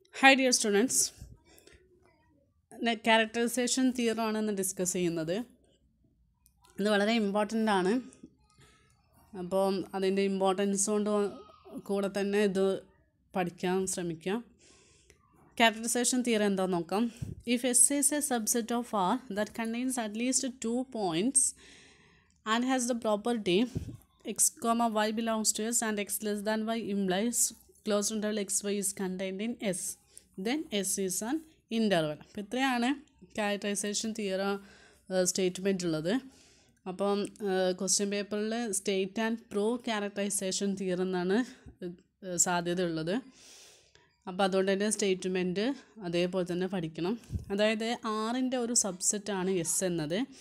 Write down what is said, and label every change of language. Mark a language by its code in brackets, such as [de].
[en] Hi dear students, [ml] characterization theorem ആണ് നമ്മൾ discuss ചെയ്യുന്നത്. ഇത് വളരെ ഇമ്പോർട്ടന്റ് ആണ്. അപ്പോൾ അതിന്റെ ഇമ്പോർട്ടൻസ് കൊണ്ട് കൂടെ തന്നെ ഇത് പഠിക്കാൻ ശ്രമിക്കാം. Characterization theorem എന്താ നോക്കാം. [en] If S is a subset of R that contains at least two points and has the property x, y belongs to S and x less than y implies closed interval xy is contained in S, then S is an interval. [ml] അപ്പോൾ ഇത്രയാണ് characterisation തിയറ statement ഉള്ളത്. അപ്പം question പേപ്പറിൽ [en] state and prove [ml] characterisation theorem എന്നാണ് സാധ്യത ഉള്ളത്. അപ്പോൾ അതുകൊണ്ട് തന്നെ സ്റ്റേറ്റ്മെൻറ്റ് അതേപോലെ തന്നെ പഠിക്കണം. അതായത് ആറിൻ്റെ ഒരു സബ്സെറ്റ് ആണ് എസ് എന്നത്.